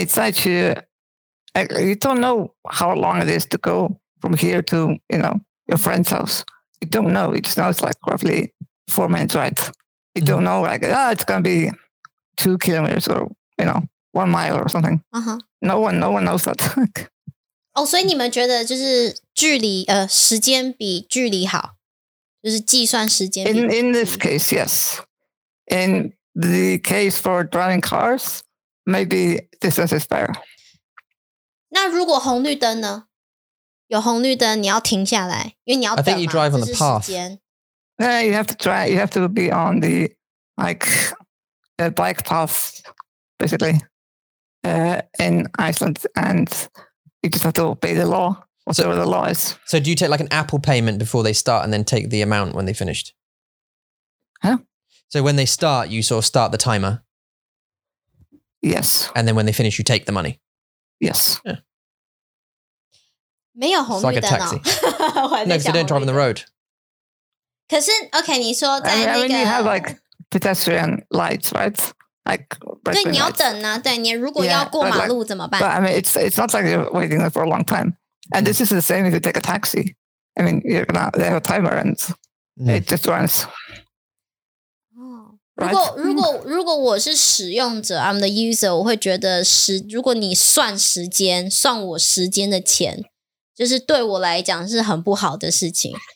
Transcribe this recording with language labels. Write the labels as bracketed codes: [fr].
[zh] 因为如果你再去， [en] you don't know how long it is to go from here to, you know, your friend's house. You don't know. You just know it's like roughly 4 minutes, right? You don't know, like, it's going to be 2 kilometers or, you know, 1 mile or something. Uh-huh. No one knows that. [zh] Oh, 所以你们觉得就是距离，时间比距离好? 就是计算时间比距离好? [en] In this case, yes. In the case for driving cars, maybe distance is better. [zh] 那如果红绿灯呢? 有红绿灯你要停下来, 因为你要等嘛, [en] I think you drive on the path. Yeah, you have to try. You have to be on the bike path, basically, in Iceland. And you just have to obey the law, whatever the law is. So do you take like an Apple payment before they start and then take the amount when they finished? Huh? So when they start, you sort of start the timer? Yes. And then when they finish, you take the money? Yes. Yeah. [zh] 没有红绿灯啊? [en] It's like a taxi. No, because they don't drive on the road. [zh] 可是, okay, 你说在那个... [en] I mean, you have like pedestrian lights, right? Like, [zh] 对,你要等啊, 对,你如果要过马路, [en] yeah, but I mean, it's not like you're waiting for a long time. And this is the same if you take a taxi. I mean, you're gonna, they have a timer and it just runs. Right? [zh] 如果我是使用者, [en] I'm the user, [zh] 我会觉得是, 如果你算时间, 算我时间的钱, 就是对我来讲是很不好的事情。